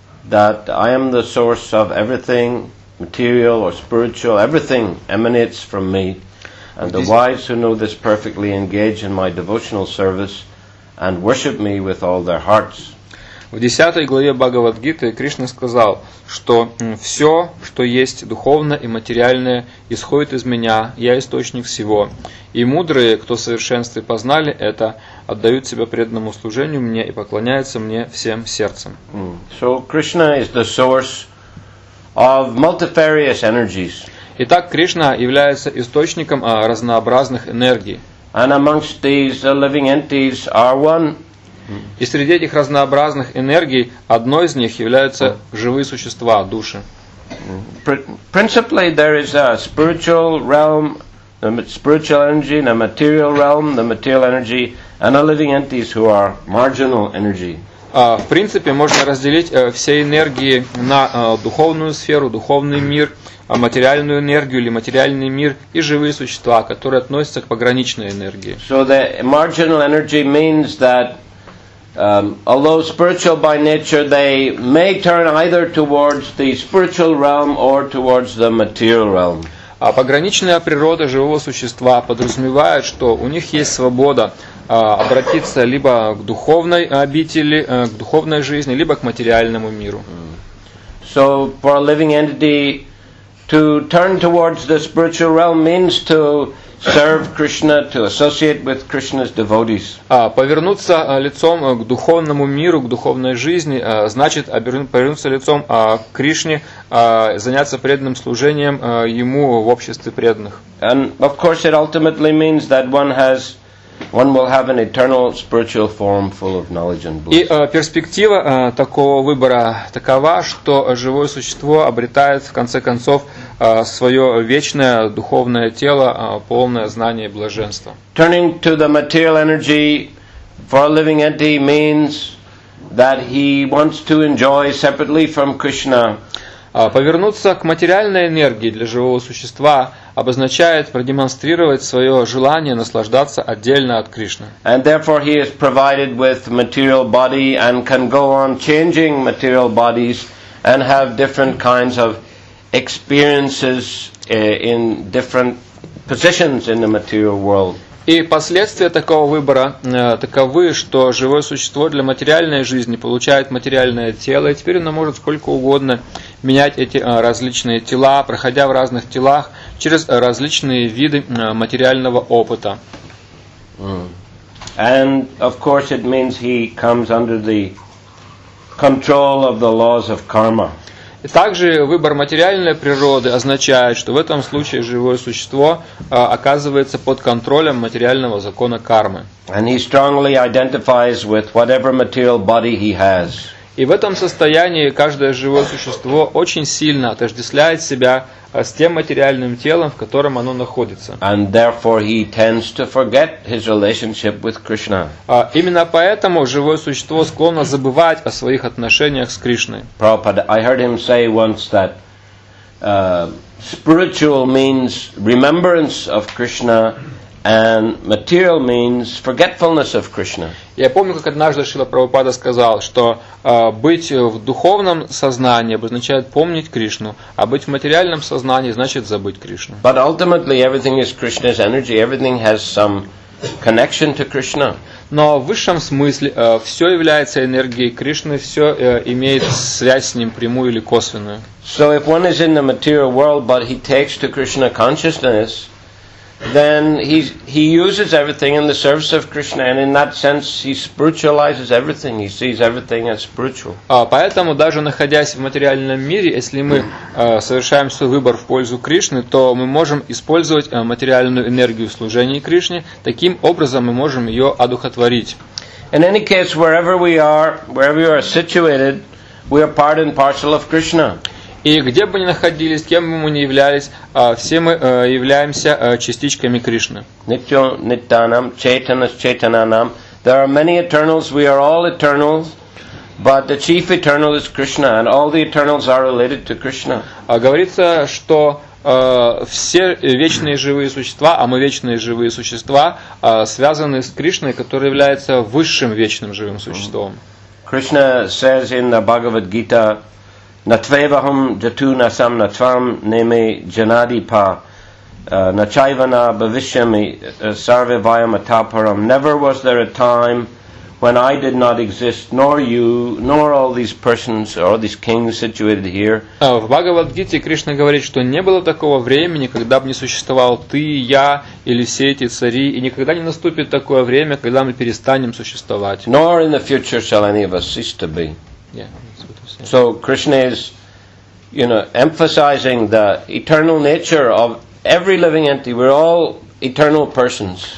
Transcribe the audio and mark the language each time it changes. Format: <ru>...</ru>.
<en>That I am the source of everything, material or spiritual, everything emanates from me. And the wise who know this perfectly engage in my devotional service and worship me with all their hearts.</en> <ru>В 10 главе Бхагавад-гиты Кришна сказал, что все, что есть духовное и материальное, исходит из меня, я источник всего. И мудрые, кто в совершенстве познали это, отдают себя преданному служению мне и поклоняются мне всем сердцем.</ru> <en>So Krishna is the source of multifarious energies.</en> <ru>Итак, Кришна является источником разнообразных энергий.</ru> <en>And amongst these living entities are one.</en> <ru>И среди этих разнообразных энергий одной из них являются живые существа, души.</ru> <en>Principally there is a spiritual realm, the spiritual energy, the material realm, the material energy, and a living entities who are marginal energy.</en> <ru>В принципе, можно разделить все энергии на духовную сферу, духовный мир, материальную энергию или материальный мир и живые существа, которые относятся к пограничной энергии.</ru> <en>So the marginal energy means that although spiritual by nature, they may turn either towards the spiritual realm or towards the material realm.</en> <ru>А пограничная природа живого существа подразумевает, что у них есть свобода обратиться либо к духовной обители, к духовной жизни, либо к материальному миру.</ru> <en>So for a living entity to turn towards the spiritual realm means to serve Krishna, to associate with Krishna's devotees.</en> <ru>Повернуться лицом к духовному миру, к духовной жизни, значит повернуться лицом к Кришне, заняться преданным служением ему в обществе преданных.</ru> <en>And of course it ultimately means that one will have an eternal spiritual form full of knowledge and bliss.</en> <ru>И перспектива такого выбора такова, что живое существо обретает в конце концов свое вечное духовное тело, полное знания и блаженства.</ru> <en>Turning to the material energy for a living entity means that he wants to enjoy separately from Krishna.</en> <ru>Повернуться к материальной энергии для живого существа обозначает продемонстрировать свое желание наслаждаться отдельно от Кришны.</ru> <en>And therefore he is provided with material body and can go on changing material bodies and have different kinds of experiences in different positions in the material world.</en> <ru>И последствия такого выбора таковы, что живое существо для материальной жизни получает материальное тело, и теперь оно может сколько угодно менять эти различные тела, проходя в разных телах через различные виды материального опыта.</ru> <en>And of course it means he comes under the control of the laws of karma.</en> <ru>Также выбор материальной природы означает, что в этом случае живое существо оказывается под контролем материального закона кармы.</ru> <en>And he strongly identifies with whatever material body he has.</en> <ru>И в этом состоянии каждое живое существо очень сильно отождествляет себя с тем материальным телом, в котором оно находится.</ru> <en>And therefore he tends to forget his relationship with Krishna.</en> <ru>Именно поэтому живое существо склонно забывать о своих отношениях с Кришной.</ru> <en>Prabhupada, I heard him say once that spiritual means remembrance of Krishna and material means forgetfulness of Krishna.</en> <ru>Я помню, как однажды Шрила Прабхупада сказал, что быть в духовном сознании обозначает помнить Кришну, а быть в материальном сознании значит забыть Кришну.</ru> <en>But ultimately everything is Krishna's energy, everything has some connection to Krishna.</en> <ru>Но в высшем смысле все является энергией Кришны, все имеет связь с ним прямую или косвенную.</ru> <en>So if one is in the material world but he takes to Krishna consciousness, then he uses everything in the service of Krishna, and in that sense he spiritualizes everything, he sees everything as spiritual.</en> <ru>Поэтому даже находясь в материальном мире, если мы совершаем свой выбор в пользу Кришны, то мы можем использовать материальную энергию в служении Кришне, таким образом мы можем ее одухотворить.</ru> <en>In any case, wherever we are, wherever you are situated, we are part and parcel of Krishna.</en> <ru>И где бы ни находились, кем бы мы ни являлись, все мы являемся частичками Кришны.</ru> <sa>Nityo nityanam, chaitanas chaitananam.</sa> <en>There are many eternals, we are all eternals, but the chief eternal is Krishna, and all the eternals are related to Krishna.</en> <ru>Говорится, что все вечные живые существа, а мы вечные живые существа, связаны с Кришной, который является высшим вечным живым существом.</ru> <en>Krishna says in the Bhagavad Gita,</en> <sa>Натвевахам джату насам натвам неме джанадипа начайвана бхавишьями сарве вайам атапарам.</sa> <en>Never was there a time when I did not exist, nor you, nor all these persons or these kings situated here.</en> <ru>В Бхагавад-гите Кришна говорит, что не было такого времени, когда бы не существовал ты, я или все эти цари, и никогда не наступит такое время, когда мы перестанем существовать.</ru> <en>Nor in the future shall any of us cease to be. So Krishna is, you know, emphasizing the eternal nature of every living entity. We're all eternal persons.</en>